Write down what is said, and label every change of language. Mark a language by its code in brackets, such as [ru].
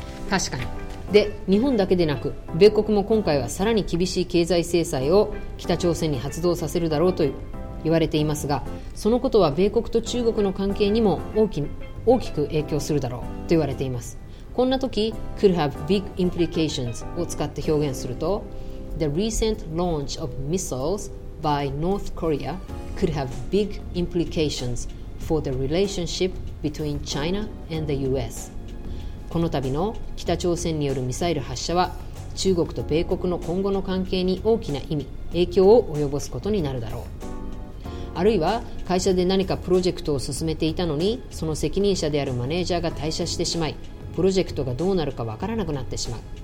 [ja] 確かに。で、日本だけでなく米国も今回はさらに厳しい経済制裁を北朝鮮に発動させるだろうと言われていますが、そのことは米国と中国の関係にも大きく影響するだろうと言われています。こんな時 [en] Could have big implications [ja] を使って表現すると、 [en] The recent launch of missiles by North Korea could have big implications for the relationship between China and the US。 [ja] この度の北朝鮮によるミサイル発射は中国と米国の今後の関係に大きな意味、影響を及ぼすことになるだろう。あるいは会社で何かプロジェクトを進めていたのに、その責任者であるマネージャーが退社してしまい、プロジェクトがどうなるかわからなくなってしまう。